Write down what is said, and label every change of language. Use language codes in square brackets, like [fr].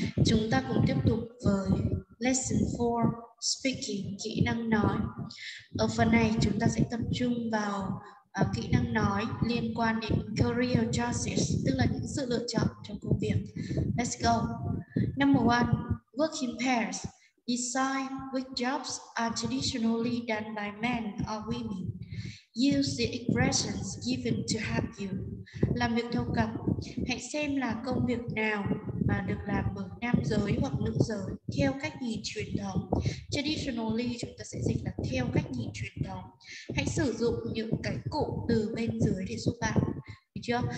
[vi] Chúng ta cùng tiếp tục với Lesson 4 Speaking, kỹ năng nói. Ở phần này chúng ta sẽ tập trung vào kỹ năng nói liên quan đến career choices, tức là những sự lựa chọn trong công việc. [en] Let's go. Number 1, work in pairs. Decide which jobs are traditionally done by men or women. Use the expressions given to help you. [vi] Làm việc theo cặp. Hãy xem là công việc nào mà được làm bởi nam giới hoặc nữ giới theo cách nhìn truyền thống. Traditionally chúng ta sẽ dịch là theo cách nhìn truyền thống. Hãy sử dụng những cái cụm từ bên dưới để giúp bạn. Được chưa?